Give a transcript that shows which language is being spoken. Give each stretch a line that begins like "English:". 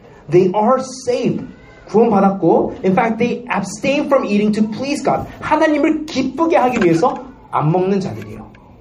English: They are saved.
Korean: 구원받았고,
English: in fact, they abstain from eating to please God.
Korean: 하나님을 기쁘게 하기 위해서 안 먹는 자들이에요.